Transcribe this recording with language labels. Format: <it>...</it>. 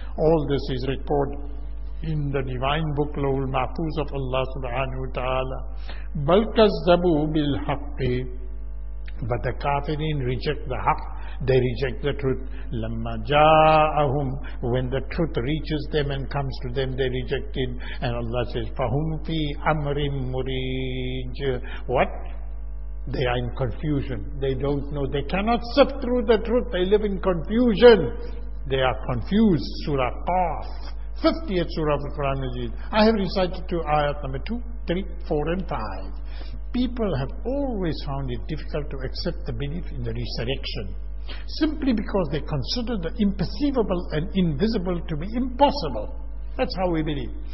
<en>All this is recorded in the divine book, Lawhul Mahfuz of Allah subhanahu wa ta'ala.</en> <ar>بَلْ كَذَّبُوا بِالْحَقِّ.</ar> <en>But the kafirin reject the haq, they reject the truth.</en> <ar>لَمَّا جَاءَهُمْ.</ar> <en>When the truth reaches them and comes to them, they reject it. And Allah says,</en> <ar>فَهُمْ فِي أَمْرٍ مُرِيجٍ.</ar> <en>What? They are in confusion. They don't know. They cannot sift through the truth. They live in confusion. They are confused. Surah Qaf, 50th Surah of the Quran Majid. I have recited to ayat number 2, 3, 4 and 5. People have always found it difficult to accept the belief in the resurrection, simply because they consider the imperceivable and invisible to be impossible. That's how we believe.</en>